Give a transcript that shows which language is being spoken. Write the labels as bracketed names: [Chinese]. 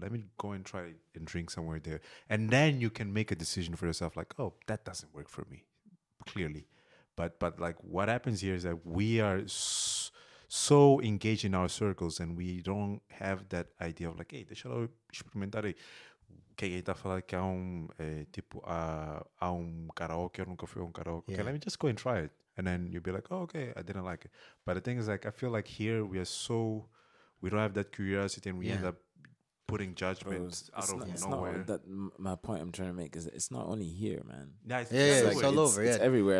[English] Let me go and try and drink somewhere there. And then you can make a decision for yourself like, oh, that doesn't work for me, clearly. But like what happens here is that we are so engaged in our circles and we don't have that idea of like, hey, [Portuguese] deixa eu experimentar aí. Quem está falando que há um karaoke, eu nunca fui a um karaoke. [English] Okay, let me just go and try it. And then you'll be like, oh, okay, I didn't like it. But the thing is like, I feel like here we don't have that curiosity and we end up putting judgments out of nowhere. My point I'm trying to make is that it's not only here, man. It's all over. It's everywhere.